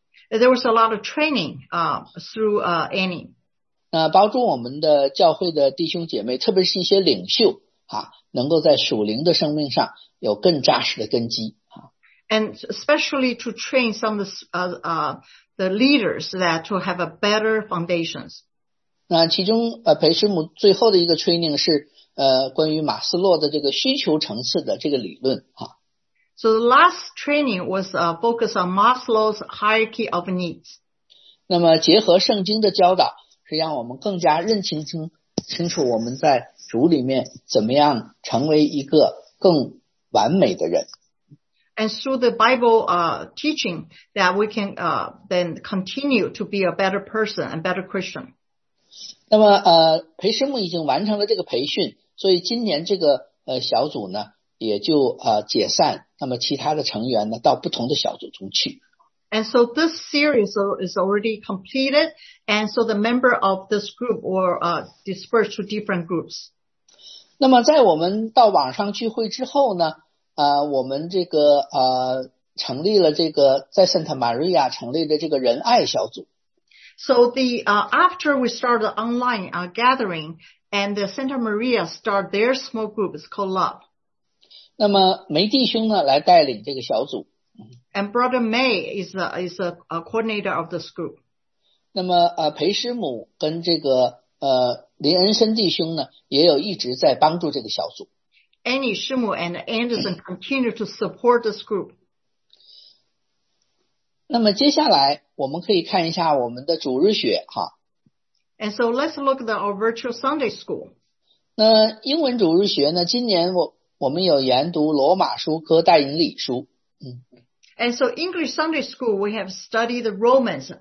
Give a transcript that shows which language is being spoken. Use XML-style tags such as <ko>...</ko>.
<en>There was a lot of training through Annie.</en> <zh>那帮助我们的教会的弟兄姐妹特别是一些领袖能够在属灵的生命上有更扎实的根基。</zh> <en>And especially to train some of the leaders that to have a better foundations.</en> <zh>那其中裴师母最后的一个 training 是关于马斯洛的这个需求层次的这个理论。</zh> <en>So the last training was focused on Maslow's hierarchy of needs.</en> <zh>那么结合圣经的教导是让我们更加认清清楚我们在主里面怎么样成为一个更完美的人。</zh> <en>And through the Bible teaching that we can then continue to be a better person and better Christian.</en> <zh>那么裴师母已经完成了这个培训所以今年这个小组呢也就解散那么其他的成员呢到不同的小组中去。</zh> <en>And so this series is already completed, and so the member of this group were dispersed to different groups.</en> <zh>那么在我们到网上聚会之后呢我们这个成立了这个在 Santa Maria 成立的这个仁爱小组。</zh> <en>So the, after we started the online gathering, and the Santa Maria started their small group, it's called Love.</en> <zh>那么梅弟兄呢来带领这个小组。</zh> <en>And Brother May is a coordinator of this group.</en> <zh>那么裴师母跟这个林恩森弟兄呢也有一直在帮助这个小组。</zh> <en>Annie 师母 and Anderson continue to support this group.</en> <zh>那么接下来我们可以看一下我们的主日学哈。</zh> <en>And so let's look at our virtual Sunday school.</en> <zh>那英文主日学呢今年我们有研读罗马书哥带引礼书。</zh> <en>And so English Sunday school, we have studied the Romans.</en>